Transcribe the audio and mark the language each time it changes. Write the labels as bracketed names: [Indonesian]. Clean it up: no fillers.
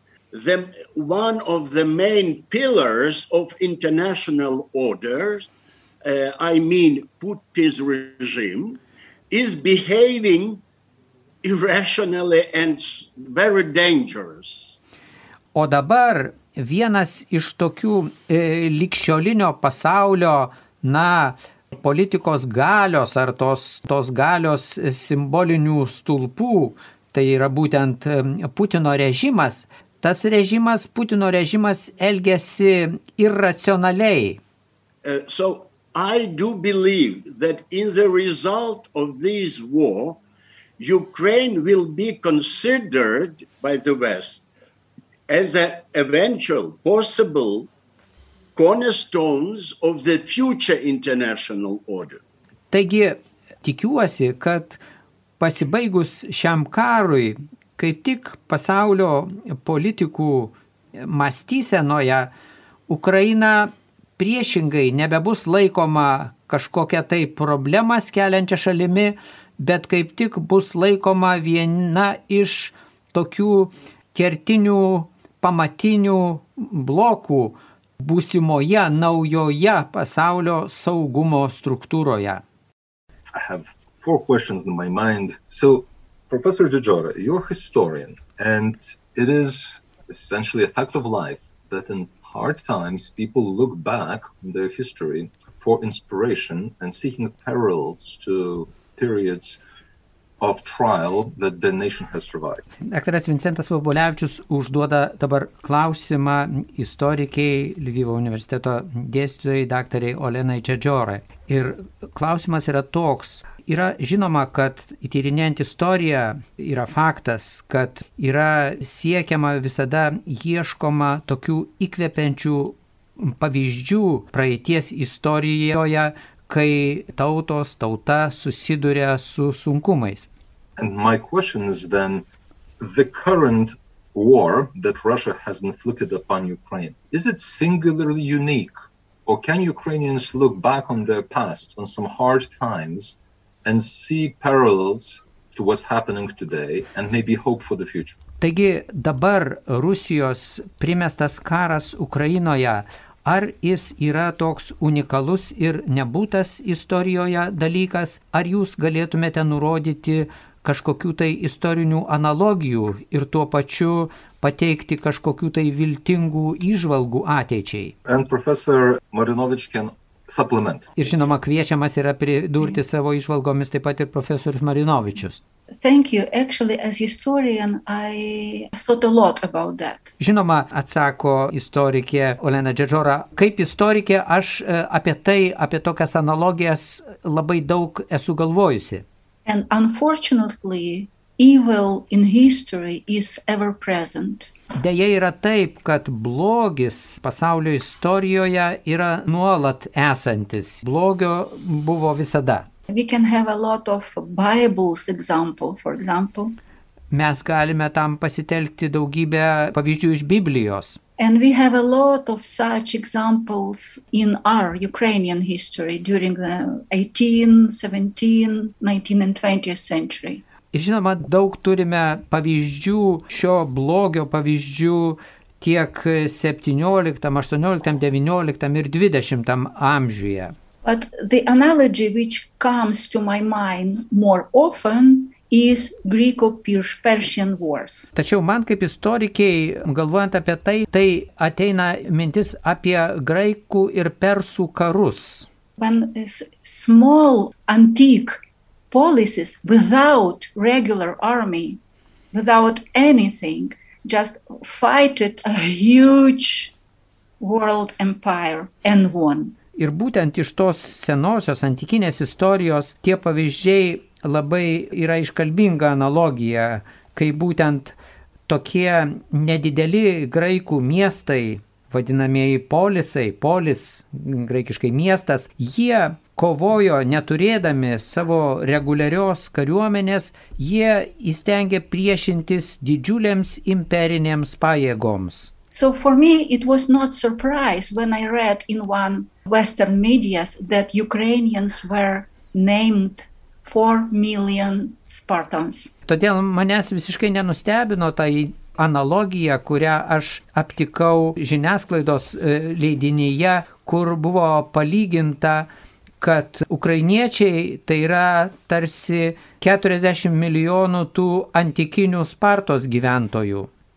[English] the one of the main pillars of international orders, I mean Putin's regime, is behaving irrationally and very dangerous. [Lithuanian] O dabar vienas iš tokių likšiolinio pasaulio, na, politikos galios ar tos galios simbolinių stulpų, tai yra būtent Putino režimas. Tas režimas, Putino režimas, elgiasi irracionaliai. [English] So I do believe that in the result of this war, Ukraine will be considered by the West as an eventual possible cornerstones of the future international order. [Lithuanian] Taigi, tikiuosi, kad pasibaigus šiam karui, kaip tik pasaulio politikų mąstysenoje, Ukraina priešingai nebebus laikoma kažkokia tai problema keliančia šalimi, bet kaip tik bus laikoma viena iš tokių kertinių pamatinių blokų būsimoje naujoje pasaulio saugumo struktūroje. [English] I have four questions in my mind. So, Professor Džiugora, you're a historian, and it is essentially a fact of life that in hard times people look back on their history for inspiration and seeking parallels to periods of trial that the nation has survived. [Lithuanian] Daktaras Vincentas Vobolevičius užduoda dabar klausimą istorikei, Lvivo universiteto dėstytojai, daktarei Olenai Džiugorai. Ir klausimas yra toks. Yra žinoma, kad tyrinėjant istoriją yra faktas, kad yra siekiama visada ieškoma tokių įkvepiančių pavyzdžių praeities istorijoje, kai tauta susiduria su sunkumais. [English] And my question is then, the current war that Russia has inflicted upon Ukraine, is it singularly unique? Or can Ukrainians look back on their past, on some hard times, and see parallels to what's happening today, and maybe hope for the future? [Lithuanian] Taigi dabar Rusijos primestas karas Ukrainoje, ar jis yra toks unikalus ir nebūtas istorijoje dalykas, ar jūs galėtumėte nurodyti kažkokių tai istorinių analogijų ir tuo pačiu pateikti kažkokių tai viltingų įžvalgų ateičiai? [English] And Professor Marinovich can supplement. [Lithuanian] Ir žinoma, kviečiamas yra pridurti savo įžvalgomis taip pat ir profesorius Marinovičius. [English] Thank you. Actually, as historian, I thought a lot about that. [Lithuanian] Žinoma, atsako istorikė Olena Džiugora, kaip istorikė aš apie tai, apie tokias analogijas labai daug esu galvojusi. [English] And unfortunately, evil in history is ever present. [Lithuanian] Deja yra taip, kad blogis pasaulio istorijoje yra nuolat esantis. Blogio buvo visada. [English] We can have a lot of Bible's example, for example. [Lithuanian] Mes galime tam pasitelkti daugybę pavyzdžių iš Biblijos. [English] And we have a lot of such examples in our Ukrainian history during the 18th, 17th, 19th and 20th century. [Lithuanian] Ir žinoma, daug turime pavyzdžių, šio blogio pavyzdžių tiek 17, 18, 19 ir 20 amžiuje. [English] But the analogy which comes to my mind more often is Greco-Persian wars. [Lithuanian] Tačiau man kaip istorikei, galvojant apie tai, tai ateina mintis apie graikų ir persų karus. [English] When small antique policies without regular army, without anything, just fight it a huge world empire and won. [Lithuanian] Ir būtent iš tos senosios antikinės istorijos tie pavyzdžiai labai yra iškalbinga analogija, kai būtent tokie nedideli graikų miestai, vadinamieji polisai, polis, graikiškai miestas, jie kovojo neturėdami savo reguliarios kariuomenės, jie įstengė priešintis didžiulėms imperinėms pajėgoms. [English] So for me it was not surprise when I read in one Western medias that Ukrainians were named 4 million Spartans. [Lithuanian] Todėl manęs visiškai nenustebino tai analogija, kurią aš aptikau žiniasklaidos leidinyje, kur buvo palyginta, kad ukrainiečiai tai yra tarsi 40 milijonų tų antikinių Spartos gyventojų.